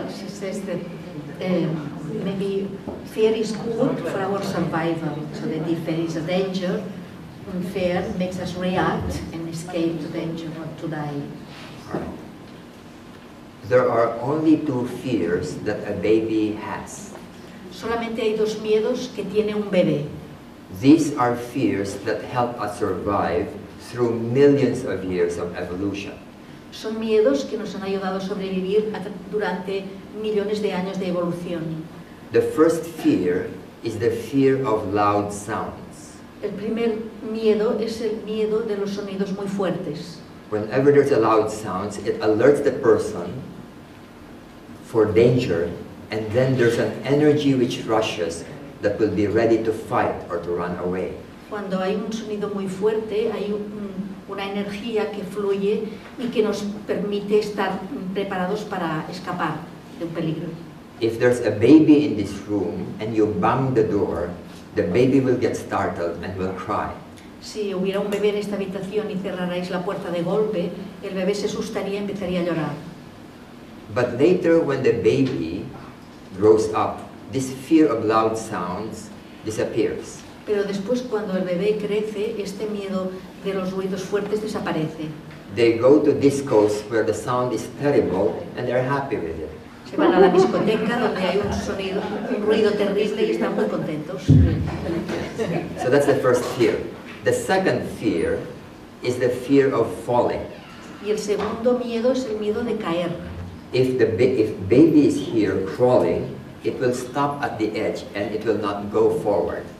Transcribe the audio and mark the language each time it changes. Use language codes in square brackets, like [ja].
[en] Maybe fear is good for our survival, so the fear is a danger, and fear makes us react and escape to danger or to die. There are only two fears that a baby has. [es] Solamente hay dos miedos que tiene un bebé. [en] These are fears that help us survive through millions of years of evolution. [es] Son miedos que nos han ayudado a sobrevivir durante millones de años de evolución. [en] The first fear is the fear of loud sounds. [es] El primer miedo es el miedo de los sonidos muy fuertes. [en] Whenever there's a loud sound, it alerts the person for danger, and then there's an energy which rushes that will be ready to fight or to run away. [es] Cuando hay un sonido muy fuerte, hay una energía que fluye y que nos permite estar preparados para escapar de un peligro. [en] If there's a baby in this room and you bang the door, the baby will get startled and will cry. [es] Si hubiera un bebé en esta habitación y cerrarais la puerta de golpe, el bebé se asustaría y empezaría a llorar. [en] But later, when the baby grows up, this fear of loud sounds disappears. [es] Pero después, cuando el bebé crece, este miedo de los ruidos fuertes desaparece. [en] They go to discos where the sound is terrible, and they're happy with it. [es] Se van a la discoteca donde hay un ruido terrible y están muy contentos. [en] So that's the first fear. The second fear is the fear of falling. [es] Y el segundo miedo es el miedo de caer. [en] If baby is here crawling, it will stop at the edge and it will not go forward.